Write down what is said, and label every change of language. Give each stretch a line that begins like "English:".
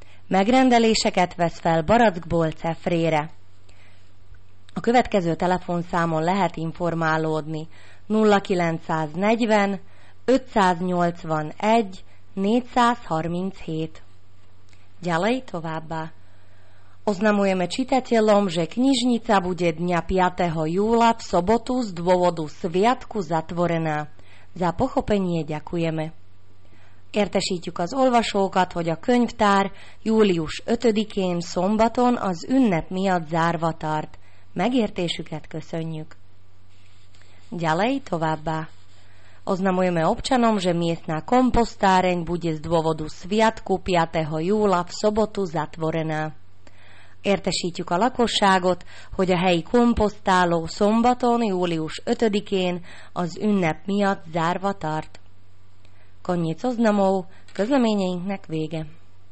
Hungarian: Megrendeléseket vesz fel barackból cefrére. A következő telefonszámon lehet informálódni 0940 581 437.
Slovak: Ďalej
Hungarian: továbbá.
Slovak: Oznamujeme čitateľom, že knižnica bude dňa 5. júla v sobotu z dôvodu sviatku zatvorená. Za pochopenie ďakujeme.
Hungarian: Értesítjük az olvasókat, hogy a könyvtár július 5-én szombaton az ünnep miatt zárva tart. Megértésüket köszönjük.
Slovak: Ďalej
Hungarian: továbbá.
Slovak: Oznamujeme občanom, že miestna komposztáreň bude z dôvodu sviatku 5. júla v sobotu zatvorená.
Hungarian: Értesítjük a lakosságot, hogy a helyi komposztáló szombaton, július 5-én az ünnep miatt zárva tart.
Slovak: Konnyit oznamov,
Hungarian: közleményeinknek vége.